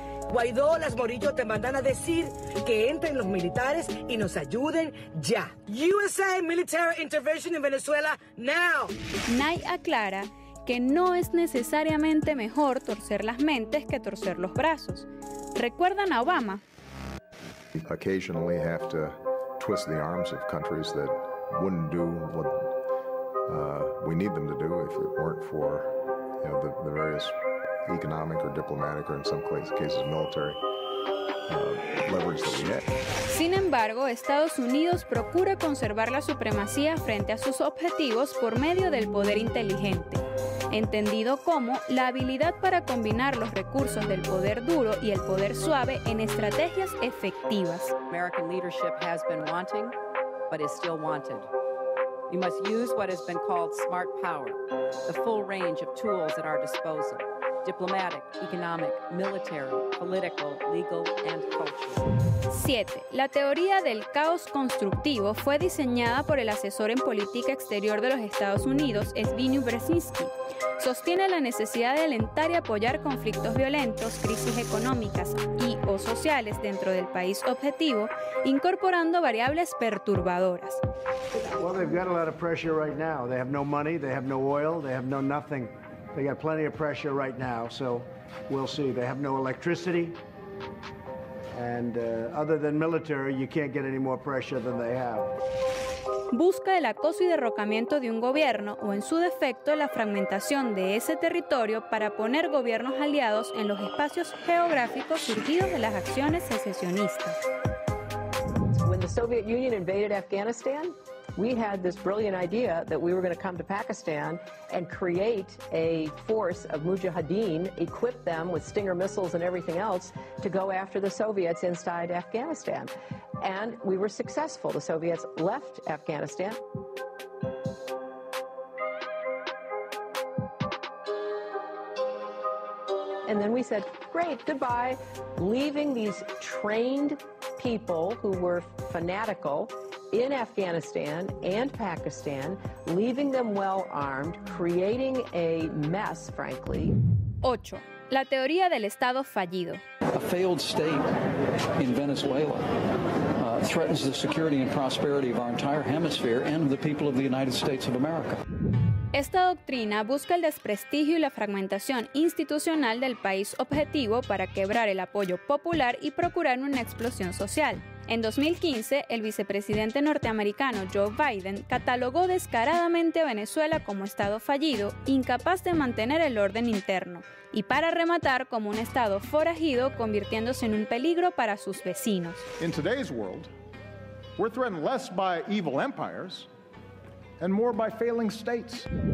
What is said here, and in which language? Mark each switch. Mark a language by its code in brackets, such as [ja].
[es] Guaidó, las Morillo te mandan a decir que entren los militares y nos ayuden ya. [en] USA military intervention in Venezuela now. [es] Nye aclara que no es necesariamente mejor torcer las mentes que torcer los brazos. ¿Recuerdan a Obama? [en] Occasionally have to twist the arms of countries that wouldn't do what we need them to do if it weren't for, you know, the various economic or diplomatic or in some cases military leverage that we get. [es] Sin embargo, Estados Unidos procura conservar la supremacía frente a sus objetivos por medio del poder inteligente, entendido como la habilidad para combinar los recursos del poder duro y el poder suave en estrategias efectivas. [en] American leadership has been wanting, but is still wanted. We must use what has been called smart power, the full range of tools at our disposal, diplomatic, economic, military, political, legal, and cultural. [es] 2007, la teoría del caos constructivo fue diseñada por el asesor en política exterior de los Estados Unidos, Zbigniew Brzezinski. Sostiene la necesidad de alentar y apoyar conflictos violentos, crisis económicas y o sociales dentro del país objetivo, incorporando variables perturbadoras. [en] Well, they've got a lot of pressure right now. They have no money, they have no oil, they have no nothing. They got plenty of pressure right now, so we'll see. They have no electricity. And other than military, you can't get any more pressure than they have. [es] Busca el acoso y derrocamiento de un gobierno o, en su defecto, la fragmentación de ese territorio para poner gobiernos aliados en los espacios geográficos surgidos de las acciones secesionistas. [en] When the Soviet Union invaded Afghanistan, we had this brilliant idea that we were going to come to Pakistan and create a force of Mujahideen, equip them with Stinger missiles and everything else to go after the Soviets inside Afghanistan. And we were successful. The Soviets left Afghanistan. And then we said, great, goodbye, leaving these trained people who were fanatical in Afghanistan and Pakistan, leaving them well armed, creating a mess, frankly. [es] 8. La teoría del Estado fallido. [en] A failed state in Venezuela threatens the security and prosperity of our entire hemisphere and the people of the United States of America. [es] Esta doctrina busca el desprestigio y la fragmentación institucional del país objetivo para quebrar el apoyo popular y procurar una explosión social. En 2015, el vicepresidente norteamericano Joe Biden catalogó descaradamente a Venezuela como estado fallido, incapaz de mantener el orden interno, y para rematar, como un estado forajido, convirtiéndose en un peligro para sus vecinos. [en] In today's world, we're threatened less by evil empires and more by failing states.